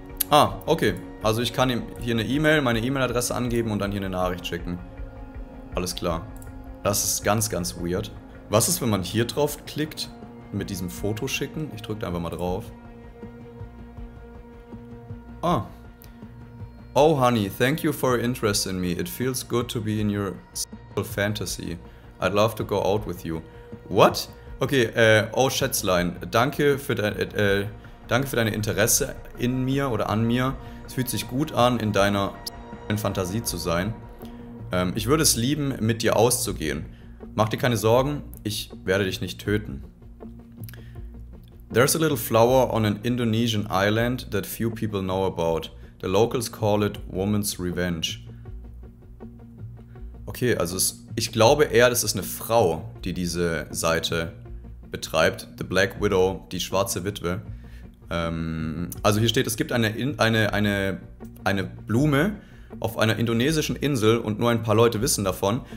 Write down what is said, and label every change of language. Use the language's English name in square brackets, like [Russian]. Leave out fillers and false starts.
[German] Ah, okay. Also ich kann ihm hier eine E-Mail, meine E-Mail-Adresse angeben und dann hier eine Nachricht schicken. Alles klar. Das ist ganz, ganz weird. Was ist, wenn man hier drauf klickt mit diesem Foto schicken? Ich drücke einfach mal drauf. Ah. [English] Oh honey, thank you for your interest in me. It feels good to be in your sexual fantasy. I'd love to go out with you. What? [German] Okay, oh Schätzlein, danke für dein Interesse in mir oder an mir. Es fühlt sich gut an, in deiner Fantasie zu sein. Ich würde es lieben, mit dir auszugehen. Mach dir keine Sorgen, ich werde dich nicht töten. [English] There's a little flower on an Indonesian island that few people know about. The locals call it Woman's Revenge. [German] Okay, also ich glaube eher, das ist eine Frau, die diese Seite betreibt. [English] The Black Widow, [German] die schwarze Witwe. Also hier steht, es gibt eine Blume auf einer indonesischen Insel und nur ein paar Leute wissen davon.